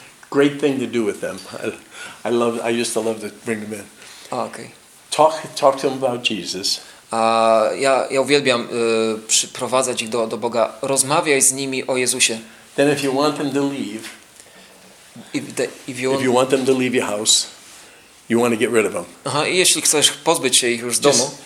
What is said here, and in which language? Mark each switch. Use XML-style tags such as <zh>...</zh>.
<en>Great thing to do with them. I used to love to bring them in. Oh, okay. Talk to them about Jesus.</en> <pl>Ja uwielbiam przyprowadzać ich do Boga. Rozmawiaj z nimi o Jezusie.</pl> <en>Then if you want them to leave, if you want them to leave your house, you want to get rid of them.</en> <pl>Aha, i jeśli chcesz pozbyć się ich już z domu.</pl>